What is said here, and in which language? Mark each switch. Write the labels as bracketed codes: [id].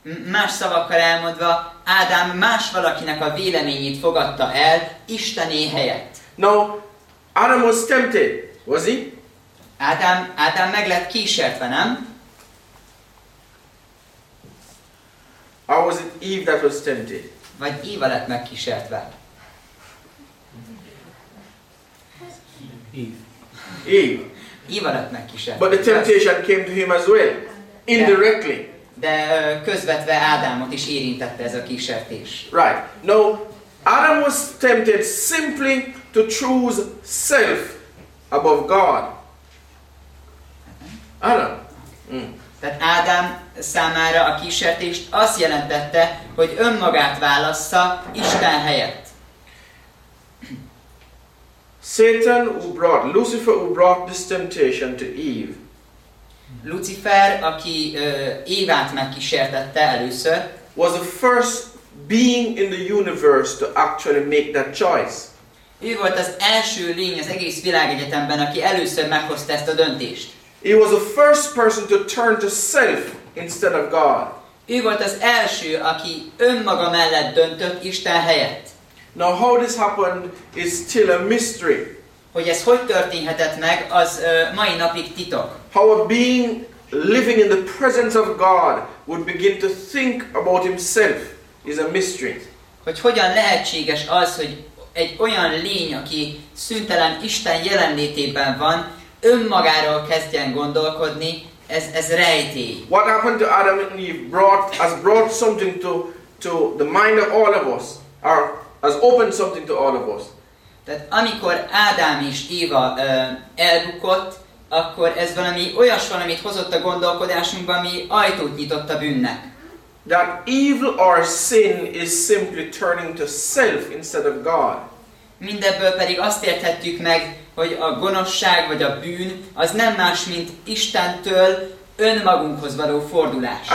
[hu] Más szavakkal elmondva, Ádám más valakinek a véleményét fogadta el Istené helyett. [en] No, Adam was tempted, was he? [hu] Ádám meg lett kísértve, nem? [en] Or was it Eve that was tempted? [hu] Vagy Éva lett megkísértve? [en] Eve. [hu] Éva lett megkísértve. [en] But the temptation came to him as well, indirectly. [hu] De közvetve Ádámot is érintette ez a kísértés. [en] Right. No, Adam was tempted simply to choose self above God. Adam. [hu] Tehát Ádám számára a kísértést azt jelentette, hogy önmagát válassza Isten helyett. [en] Satan who brought, Lucifer who brought this temptation to Eve. [hu] Lucifer, aki Évát megkísértette először, [en] was the first being in the universe to actually make that choice. [hu] Ő volt az első lény az egész világegyetemben, aki először meghozta ezt a döntést. [en] He was the first person to turn to self instead of God. [hu] Ő volt az első, aki önmaga mellett döntött Isten helyett. [en] Now how this happened is still a mystery. [hu] Hogy ez hogy történhetett meg, az mai napig titok. [en] How a being living in the presence of God would begin to think about himself is a mystery. [hu] Hogy hogyan lehetséges az, hogy egy olyan lény, aki szüntelen Isten jelenlétében van, önmagáról kezdjen gondolkodni, ez rejtély. [en] What happened to Adam and Eve has brought something to the mind of all of us, or has opened something to all of us. [hu] Tehát amikor Ádám és Éva elbukott, akkor ez valami olyas valamit hozott a gondolkodásunkba, ami ajtót nyitott a bűnnek. [en] That evil or sin is simply turning to self instead of God. [hu] Mindebből pedig azt érthetjük meg, hogy a gonoszság vagy a bűn az nem más, mint Istentől önmagunkhoz való fordulás.